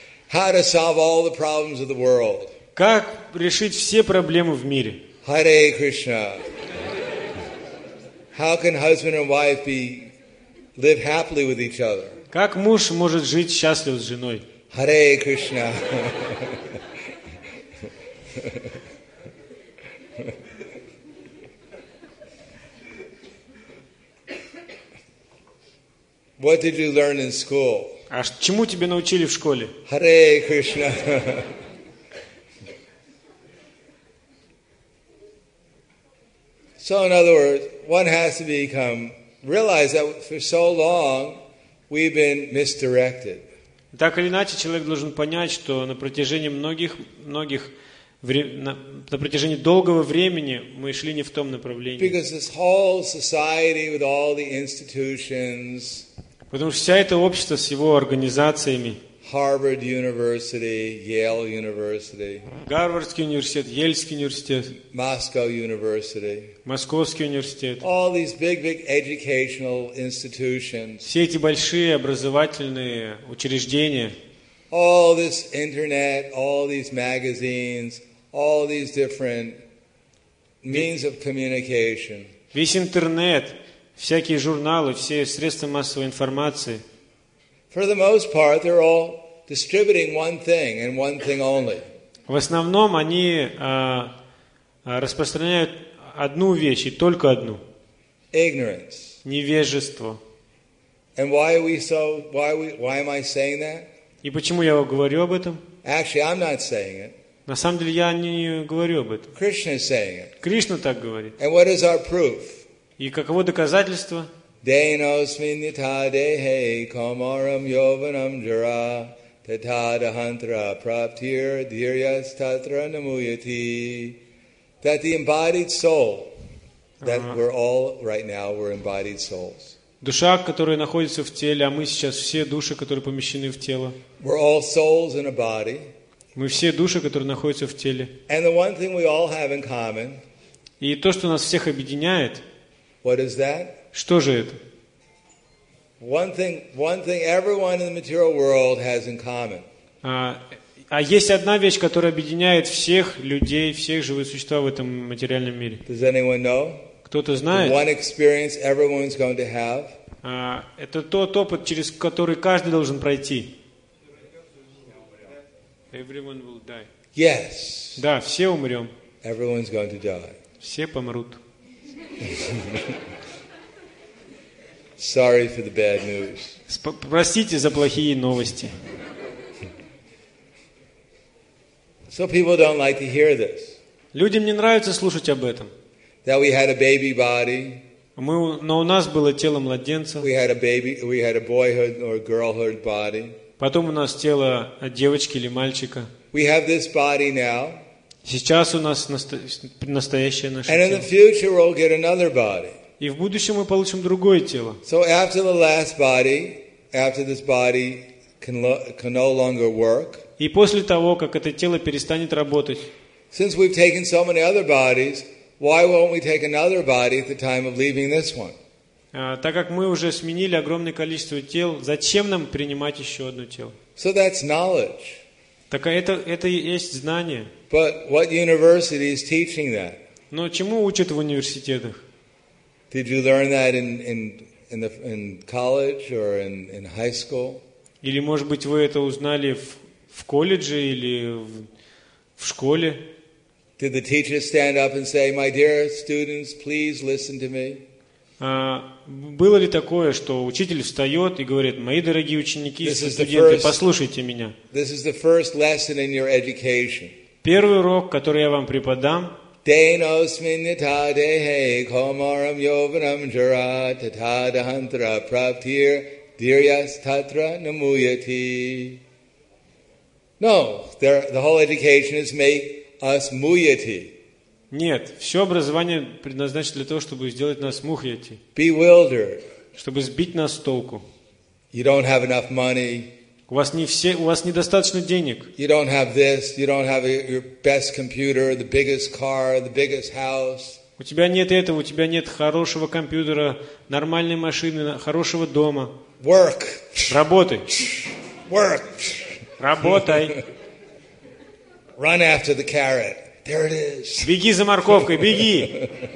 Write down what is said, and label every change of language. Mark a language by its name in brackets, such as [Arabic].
[English] How to solve all the problems of the world? [Russian] Как решить все проблемы в мире? [Sanskrit] Hare Krishna. [English] How can husband and wife be live happily with each other? [Russian] Как муж может жить счастливо с женой? [Sanskrit] Hare Krishna. [English] What did you learn in school? [Russian] А чему тебя научили в школе? [Sanskrit] Hare Krishna. [English] So in other words, one has to become realize that for so long we've been misdirected. [Russian] Так или иначе, человек должен понять, что на протяжении многих на протяжении долгого времени мы шли не в том направлении. [English] Because this whole society with all the institutions. [Russian] Потому что вся это общество с его организациями. [English] Harvard University, Yale University. [Russian] Гарвардский университет, Йельский университет. [English] Moscow University. [Russian] Московский университет. [English] All these big educational institutions. [Russian] Все эти большие образовательные учреждения. [English] All this internet, all these magazines, all these different means of communication. [Russian] Весь интернет, всякие журналы, все средства массовой информации. [English] For the most part, they're all distributing one thing and one thing only. [Russian] В основном они распространяют одну вещь и только одну. [English] Ignorance. [Russian] Невежество. [English] And why are we so? Why am I saying that? [Russian] И почему я говорю об этом? [English] Actually, I'm not saying it. [Russian] На самом деле я не говорю об этом. [English] Krishna is saying it. [Russian] Кришна так говорит. [English] And what is our proof? [Russian] И каково доказательство? [Sanskrit] Deino smita dehe komaram yovanam jara tatadahantra praptir dhiryas tatra namuyati. [English] That the embodied soul, that we're all right now, we're embodied souls. [Russian] Душа, которая находится в теле, а мы сейчас все души, которые помещены в тело. [English] We're all souls in a body. [Russian] Мы все души, которые находятся в теле. [English] And the one thing we all have in common. [Russian] И то, что нас всех объединяет. [English] What is that? [Russian] Что же это? [English] One thing everyone in the material world has in common. [Russian] А есть одна вещь, которая объединяет всех людей, всех живых существ в этом материальном мире. [English] Does anyone know? [Russian] Кто-то знает? [English] One experience everyone's going to have. [Russian] Это тот опыт, через который каждый должен пройти. [English] Everyone will die. Yes. [Russian] Да, все умрем. [English] Everyone's going to die. [Russian] Все помрут. [English] Sorry for the bad news. [Russian] Простите за плохие новости. [English] So people don't like to hear this. [Russian] Людям не нравится слушать об этом. [English] That we had a baby body. [Russian] Но у нас было тело младенца. [English] We had a baby. We had a boyhood or girlhood body. [Russian] Потом у нас тело девочки или мальчика. [English] We have this body now. [Russian] Сейчас у нас настоящее наше тело. [English] And in the future we'll get another body. [Russian] И в будущем мы получим другое тело. [English] So after the last body, after this body can no longer work. [Russian] И после того, как это тело перестанет работать. [English] Since we've taken so many other bodies, why won't we take another body at the time of leaving this one? [Russian] Так как мы уже сменили огромное количество тел, зачем нам принимать еще одно тело? [English] So that's knowledge. [Russian] Так это и есть знание. [English] But what university is teaching that? [Russian] Но чему учат в университетах? [English] Did you learn that in college or in high school? [Russian] Или, может быть, вы это узнали в колледже или в школе? [English] Did the teacher stand up and say, "My dear students, please listen to me"? [Russian] Было ли такое, что учитель встает и говорит: "Мои дорогие ученики, студенты, послушайте меня"? [English] This is the first lesson in your education. [Russian] Первый урок, который я вам преподам. [Sanskrit] Deinos minita dehe komaram yovanam jara tatadhantra praptir diryas tatra namuyati. [English] No, the whole education is make us muyati. [Russian] Нет, все образование предназначено для того, чтобы сделать нас мухьяти. [English] Bewildered. [Russian] Чтобы сбить нас с толку. [English] You don't have enough money. [Russian] У вас недостаточно денег. [English] You don't have this, you don't have your best computer, the biggest car, the biggest house. [Russian] У тебя нет этого, у тебя нет хорошего компьютера, нормальной машины, хорошего дома. [English] Work. [Russian] Работай. [English] Work. [Russian] Работай. [English] Run after the carrot. There it is. [Russian] Беги за морковкой, беги.